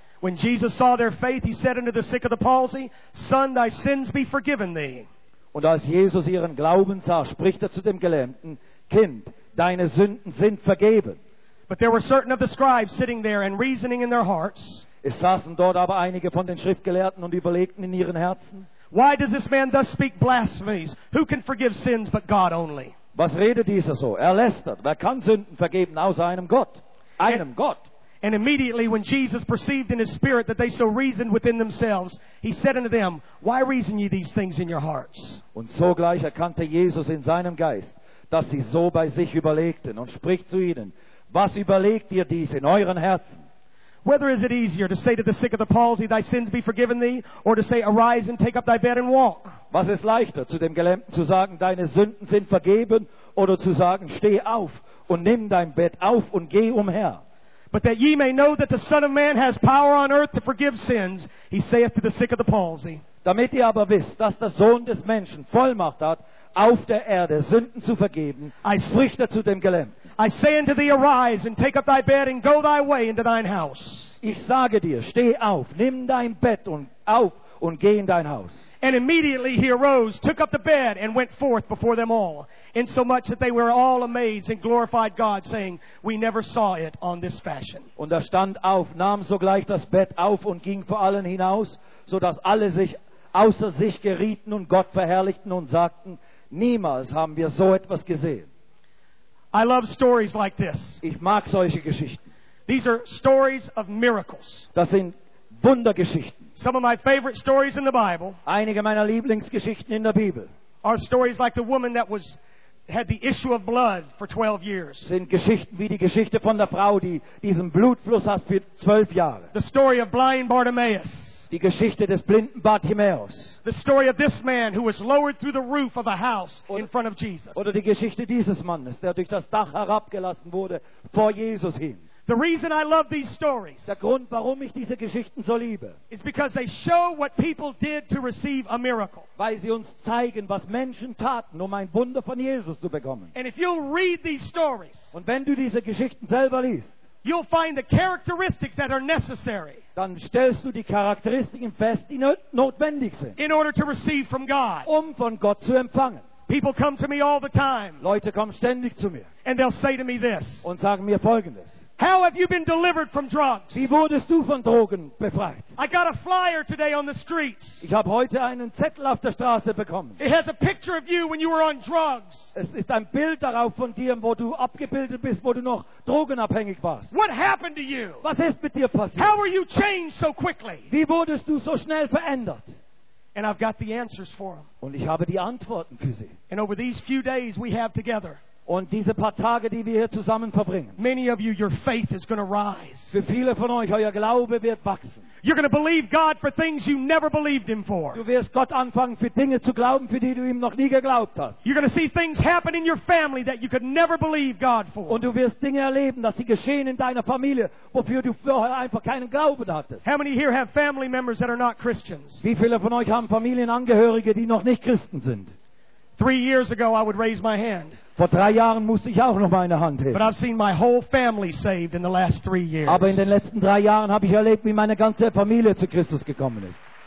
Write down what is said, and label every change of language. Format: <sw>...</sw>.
<en>When Jesus saw their faith, he said unto the sick of the palsy, Son, thy sins be forgiven thee.</en> <de>Und als Jesus ihren Glauben sah, spricht zu dem Gelähmten, Kind, deine Sünden sind vergeben.</de> <en>But there were certain of the scribes sitting there and reasoning in their hearts.</en> <de>Es saßen dort aber einige von den Schriftgelehrten und überlegten in ihren Herzen.</de> <en>Why does this man thus speak blasphemies? Who can forgive sins but God only?</en> <de>Was redet dieser so? Er lästert. Wer kann Sünden vergeben außer einem Gott? Gott.</de> <en>And immediately when Jesus perceived in his spirit that they so reasoned within themselves, he said unto them, Why reason ye these things in your hearts?</en> <de>Und sogleich erkannte Jesus in seinem Geist, dass sie so bei sich überlegten, und spricht zu ihnen, Was überlegt ihr dies in euren Herzen?</de> <en>Whether is it easier to say to the sick of the palsy, thy sins be forgiven thee, or to say, arise and take up thy bed and walk?</en> <de>Was ist leichter, zu dem Gelähmten zu sagen, deine Sünden sind vergeben, oder zu sagen, steh auf und nimm dein Bett auf und geh umher?</de> <en>But that ye may know that the Son of Man has power on earth to forgive sins, he saith to the sick of the palsy.</en> <de>Damit ihr aber wisst, dass der Sohn des Menschen Vollmacht hat, auf der Erde Sünden zu vergeben, spricht zu dem Gelähmten.</de> <en>I say unto thee, arise and take up thy bed and go thy way into thine house.</en> <de>Ich sage dir, steh auf, nimm dein Bett und auf und geh in dein Haus.</de> <en>And immediately he arose, took up the bed and went forth before them all, insomuch that they were all amazed and glorified God, saying, We never saw it on this fashion.</en> <de>Und stand auf, nahm sogleich das Bett auf und ging vor allen hinaus, so dass alle sich außer sich gerieten und Gott verherrlichten und sagten, Niemals haben wir so etwas gesehen.</de> <en>I love stories like this.</en> <de>Ich mag solche Geschichten.</de> <en>These are stories of miracles.</en> <de>Das sind Wundergeschichten.</de> <en>Some of my favorite stories in the Bible.</en> <de>Einige meiner Lieblingsgeschichten in der Bibel.</de> <en>Are stories like the woman that had the issue of blood for 12 years.</en> <de>Sind Geschichten wie die Geschichte von der Frau, die diesen Blutfluss hat für 12 Jahre.</de> <en>The story of blind Bartimaeus.</en> <de>Die Geschichte des blinden Bartimäus.</de> <en>The story of this man who was lowered through the roof of a house in front of Jesus.</en> <de>Oder die Geschichte dieses Mannes, der durch das Dach herabgelassen wurde vor Jesus hin.</de> <en>The reason I love these stories,</en> <de>der Grund, warum ich diese Geschichten so liebe,</de> <en>is because they show what people did to receive a miracle.</en> <de>Weil sie uns zeigen, was Menschen taten, um ein Wunder von Jesus zu bekommen.</de> <en>And if you'll read these stories,</en> <de>und wenn du diese Geschichten selber liest,</de> <en>you'll find the characteristics that are necessary,</en> <de>dann stellst du die Charakteristiken fest, die notwendig sind,</de> <en>in order to receive from God,</en> <de>um von Gott zu empfangen.</de> <en>People come to me all the time,</en> <de>Leute kommen ständig zu mir,</de> <en>and they'll say to me this,</en> <de>und sagen mir Folgendes:</de> <en>How have you been delivered from drugs?</en> <de>Wie wurdest du von Drogen befreit?</de> <en>I got a flyer today on the streets.</en> <de>Ich habe heute einen Zettel auf der Straße bekommen.</de> <en>It has a picture of you when you were on drugs.</en> <de>Es ist ein Bild darauf von dir, wo du abgebildet bist, wo du noch drogenabhängig warst.</de> <en>What happened to you?</en> <de>Was ist mit dir passiert?</de> <en>How were you changed so quickly?</en> <de>Wie wurdest du so schnell verändert?</de> <en>And I've got the answers for them.</en> <de>Und ich habe die Antworten für sie.</de> <en>And over these few days we have together,</en> <de>und diese paar Tage, die wir hier zusammen verbringen.</de> <en>Many of you, your faith is going to rise.</en> <de>Für viele von euch, euer Glaube wird wachsen.</de> <en>You're going to believe God for things you never believed Him for.</en> <de>Du wirst Gott anfangen, für Dinge zu glauben, für die du ihm noch nie geglaubt hast.</de> <en>You're going to see things happen in your family that you could never believe God for.</en> <de>Und du wirst Dinge erleben, dass sie geschehen in deiner Familie, wofür du vorher einfach keinen Glauben hattest.</de> <en>How many here have family members that are not Christians?</en> <de>Wie viele von euch haben Familienangehörige, die noch nicht Christen sind?</de> <en>3 years ago, I would raise my hand.</en> <de>Vor 3 Jahren musste ich auch noch meine Hand heben.</de> <en>But I've seen my whole family saved in the last 3 years.</en> <de>Aber in den letzten 3 Jahren habe ich erlebt, wie meine ganze Familie zu Christus gekommen ist.</de>